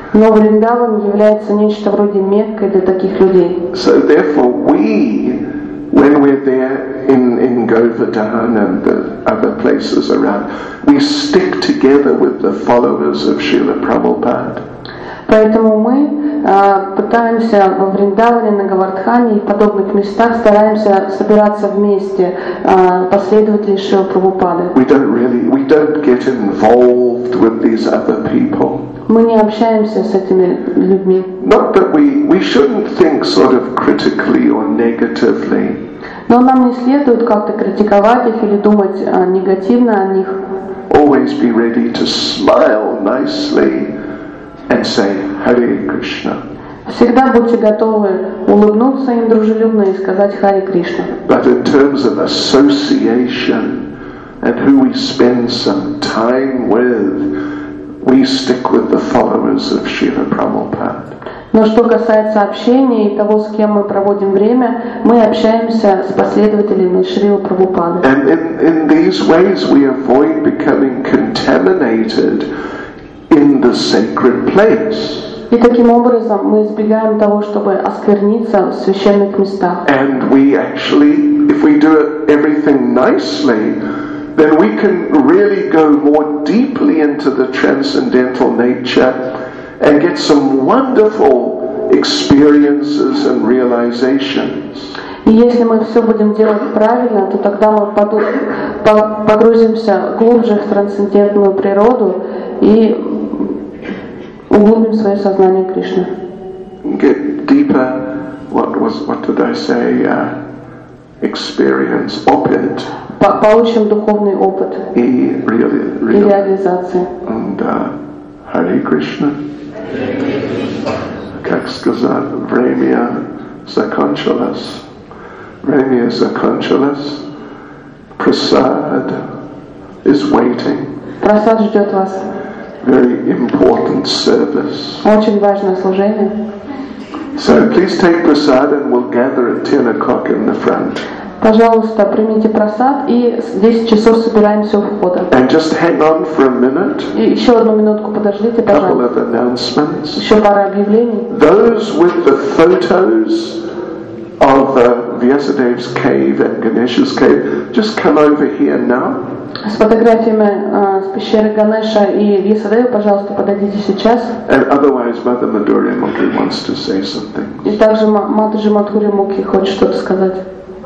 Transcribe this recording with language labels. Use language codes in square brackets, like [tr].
[ru] Но Вриндаван является нечто вроде меккой для таких людей. [en] So therefore we, when we're there in Govardhan and the other places around, we stick together with the followers of Srila Prabhupada. [ru] Поэтому мы пытаемся во Вриндаване, на Говардхане и подобных местах стараемся собираться вместе последователи Шрилы Прабхупады. [en] We don't get involved with these other people. [ru] Мы не общаемся с этими людьми. [en] Not that we shouldn't think sort of critically or negatively. [ru] Но нам не следует как-то критиковать их или думать негативно о них. [en] Always be ready to smile nicely and say Hare Krishna. [ru] Всегда будьте готовы улыбнуться им дружелюбно и сказать Харе Кришна. [en] But in terms of association and who we spend some time with, we stick with the followers of Srila Prabhupada. [ru] Но что касается общения и того, с кем мы проводим время, мы общаемся с последователями Шрилы Прабхупады. [en] And in these ways we avoid becoming contaminated in the sacred place. [ru] И таким образом мы избегаем того, чтобы оскверниться в священных местах. [en] And we actually, if we do everything nicely, then we can really go more deeply into the transcendental nature and get some wonderful experiences and realizations. [ru] И если мы все будем делать правильно, то тогда мы погрузимся глубже в трансцендентную природу и углубим свое сознание Кришны. [en] Get deeper, what did I say, experience, opened. [ru] Получим духовный опыт и реализацию. [en] And Hare Krishna. [ru] Как сказать, время закончилось. Время закончилось. [en] Prasad is waiting. [ru] Prasad ждет вас. [en] Very important service. [ru] Очень важное служение. [en] So please take prasad and we'll gather at 10 o'clock in the front. [ru] Пожалуйста, примите просад и с 10 часов собираемся у входа. [en] And just hang on for a minute. [ru] И еще одну минутку подождите, пожалуйста. Еще пара объявлений. [en] Those with the photos of Vyasadeva's cave and Ganesha's cave, just come over here now. [ru] С фотографиями с пещеры Ганеша и Вьясадевы, пожалуйста, подойдите сейчас. [en] And otherwise, Mother Madhuri Mukhi wants to say something. [ru] И также Мадхури Мукхи хочет что-то сказать.